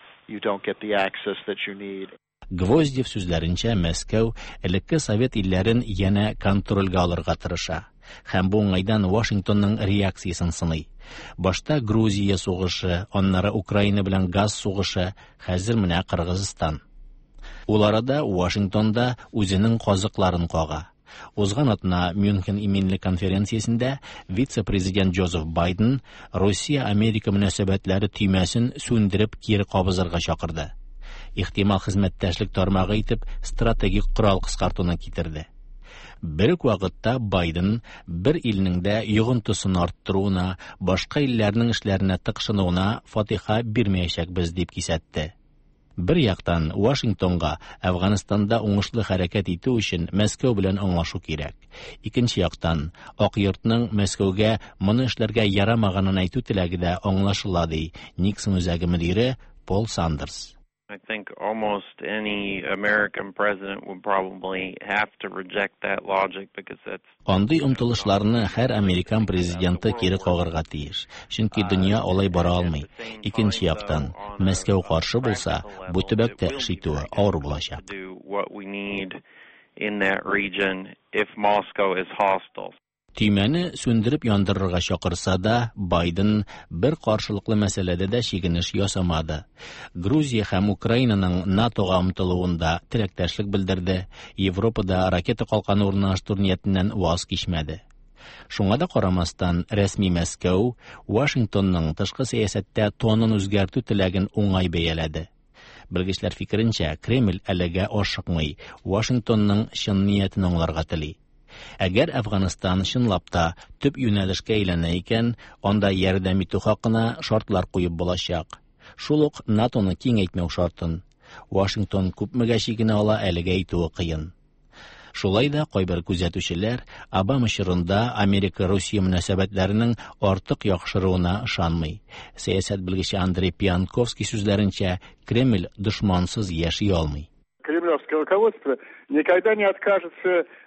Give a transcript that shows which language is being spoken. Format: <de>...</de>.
<en>you don't get the access that you need.</en> <tt>Gvozdyev sözlərincə Moskva элекке совет илләрен яна контрольгә алырга тырыша. Һәм бу уңайдан Вашингтонның реакциясын сыный. Башта Грузия сугышы, аннары Украина белән газ сугышы, хәзер менә Кыргызстан. Ул арада Вашингтонда үзенең казыкларын кага. Узган атна Мюнхен именлек конференциясендә вице-президент Джозеф Байден Россия-Америка мөнәсәбәтләре төймәсен сүндереп кире кабызырга чакырды. Ихтимал хезмәттәшлек тармагы итеп стратегик корал кыскартуны китерде. Бер үк вакытта Байден бер илнең дә йогынтысын арттыруына, башка илләрнең эшләренә тыкшынуына фатиха бирмәячәкбез дип кисәтте. Бер яктан Вашингтонга Афганстанда уңышлы хәрәкәт итү өчен Мәскәү белән аңлашу кирәк. Икенче яктан Ак йортның Мәскәүгә моны эшләргә ярамаганын әйтү теләге дә аңлашыла ди Никсон үзәге мөдире Пол Сандерс.</tt> <en>I think almost any American president would probably have to reject that logic because that's</en> <tt>Андый умтылышларны һәр американ президенты кире кагырга тиеш, чөнки дөнья алай бара алмый. Икенче яктан, Мәскәү каршы булса, бу төбәктә шитуы авыр булачак.</tt> <en>What we need in that region if Moscow is hostile.</en> <tt>Тимәне сүндереп яндырырга чакырса да, Байден бер каршылыклы мәсьәләдә дә шигенеш ясамады. Грузия һәм Украинаның НАТОга омтылуында теләктәшлек белдерде, Европада ракета калканы урнаштыру ниятеннән ваз кичмәде. Шуңа да карамастан, рәсми Мәскәү Вашингтонның тышкы сәясәттә тонын үзгәртү теләген уңай бәяләде. Белгечләр фикеренчә, Кремль әлегә ашыкмый, Вашингтонның чын ниятен аңларга тели. Әгәр Афганстан чынлап та төп юнәлешкә әйләнә икән, анда ярдәм итү хакына шартлар куеп булачак. Шул ук НАТОны киңәйтмәү шартын. Вашингтон күпмегә шигенә ала әлегә әйтүе кыен. Шулай да кайбер күзәтүчеләр Обама чорында Америка-Русия мөнәсәбәтләренең артык яхшыруына ышанмый. Сәясәт белгече Андрей Пьянковский сүзләренчә, Кремль дошмансыз яши алмый.</tt> <ru>Кремлевское руководство никогда не откажется</ru>